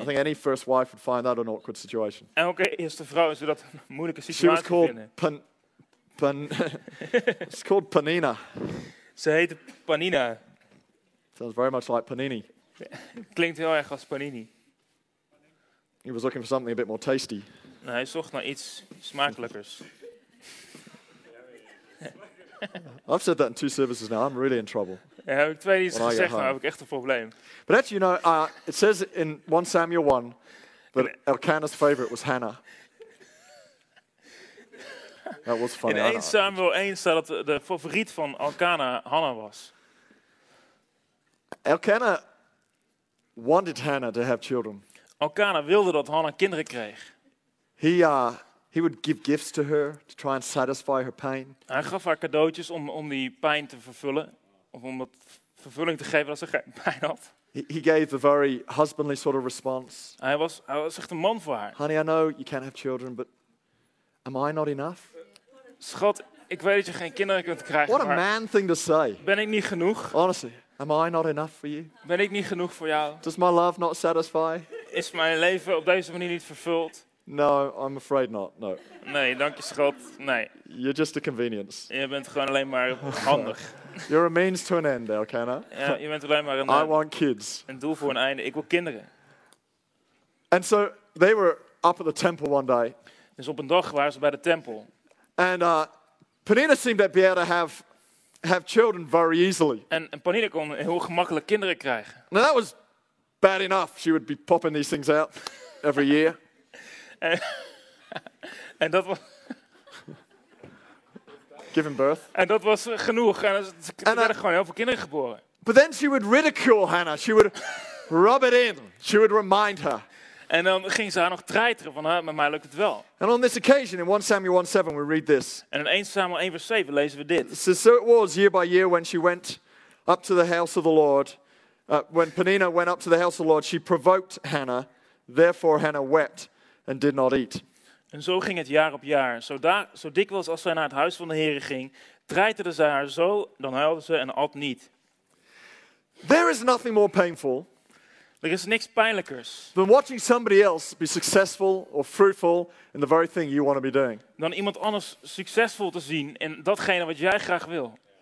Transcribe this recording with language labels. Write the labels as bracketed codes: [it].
[en] I think any first wife would find that an awkward situation. [nl] En ook eerste vrouw is dat een moeilijke situatie vinden. [en] She was called it's called Panina. [nl] Ze heette Panina. [en] Sounds very much like panini. [nl] Klinkt heel erg als panini. [en] He was looking for something a bit more tasty. [nl] Nou, hij zocht naar iets smakelijkers. [en] I've said that in two services now. I'm really in trouble. [nl] Ja, heb ik twee dingen gezegd, maar heb ik echt een probleem. [en] But actually, you know, it says in 1 Samuel 1 that Elkanah's favorite was Hannah. That was funny. [nl] In 1 Samuel 1 staat dat de favoriet van Elkanah Hannah was. [en] Elkanah wanted Hannah to have children. [nl] Elkanah wilde dat Hannah kinderen kreeg. [en] He would give gifts to her to try and satisfy her pain. [nl] Hij gaf haar cadeautjes om die pijn te vervullen. Of om dat vervulling te geven als ze geen pijn had. [en] He gave the very husbandly sort of response. [nl] Hij was echt een man voor haar. [en] Honey, I know you can't have children, but am I not enough? [nl] Schat, ik weet dat je geen kinderen kunt krijgen. [en] What a man thing to say. [nl] Ben ik niet genoeg? [en] Honestly, am I not enough for you? [nl] Ben ik niet genoeg voor jou? [en] Does my love not satisfy? [nl] Is mijn leven op deze manier niet vervuld? [en] No, I'm afraid not. No. [nl] Nee, dank je schat. Nee. [en] You're just a convenience. [nl] Je bent gewoon alleen maar handig. [en] You're a means to an end, Elkanah. [nl] Ja, je bent alleen maar een. [en] I want kids. [nl] Een doel voor een einde. Ik wil kinderen. [en] And so they were up at the temple one day. [nl] Dus op een dag waren ze bij de tempel. [en] And Peninnah seemed to be able to have children very easily. [nl] En Peninnah kon heel gemakkelijk kinderen krijgen. [en] Now that was bad enough. She would be popping these things out every year. [nl] En dat was. [en] Giving birth. [nl] En dat was genoeg. En ze werden gewoon heel veel kinderen geboren. [en] But then she would ridicule Hannah. She would rub it in. She would remind her. [nl] En dan ging ze haar nog treiteren van, met mij lukt het wel. [en] And on this occasion, in 1 Samuel 1:7, we read this. [nl] En in 1 Samuel 1 vers 7 lezen we dit. [en] So it was year by year when she went up to the house of the Lord. When Peninnah went up to the house of the Lord, she provoked Hannah. Therefore Hannah wept and did not eat. [nl] En zo ging het jaar op jaar. Zo dikwijls als zij naar het huis van de Heere ging, treiterde zij haar zo, dan huilde ze en at niet. [en] There is nothing more painful. [nl] Er is niks pijnlijkers. [en] Than watching somebody else be successful or fruitful in the very thing you want to be doing. [nl] Dan iemand anders succesvol te zien in datgene wat jij graag wil.